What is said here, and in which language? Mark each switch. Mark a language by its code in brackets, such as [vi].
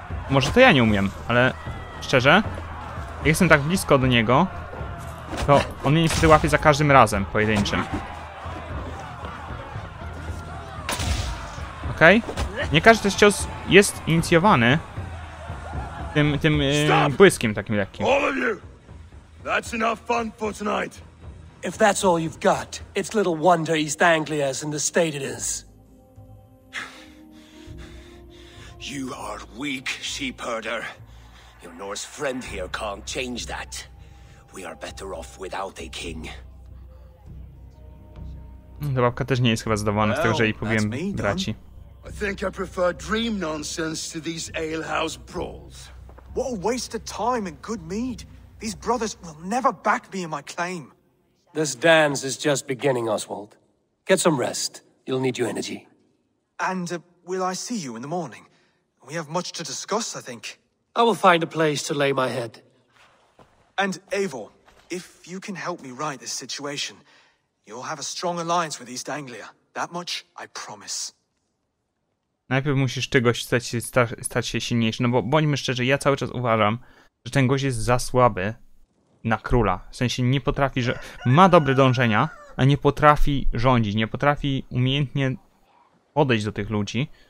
[pl] Może to ja nie umiem, ale... Szczerze? Jak jestem tak blisko do niego, to on mnie niestety łapie za każdym razem, pojedynczym. Okej? Okay? Nie każdy też cios jest inicjowany tym błyskiem takim lekkim. [en] All of you! That's enough fun for tonight. If that's all you've got, it's little wonder East Anglia is in the state it is. You are weak, sheepherder. Your Norse friend here can't change that. We are better off without a king. [pl] Ta babka też nie jest chyba zadowolona z tego, że jej powiem braci. [en] I think I prefer dream nonsense to these alehouse brawls. What a waste of time and good mead. These brothers will never back me in my claim. This dance is just beginning, Oswald. Get some rest. You'll need your energy. And will I see you in the morning? We have much to discuss, I think. I will find a place to lay my head. And Eivor, if you can help me right this situation, you'll have a strong alliance with East Anglia. That much I promise. [pl] Najpierw musisz ty gość stać się silniejszy, no bo bądźmy szczerzy, ja cały czas uważam, że ten gość jest za słaby na króla. W sensie nie potrafi, że ma dobre dążenia, a nie potrafi rządzić, nie potrafi umiejętnie podejść do tych ludzi.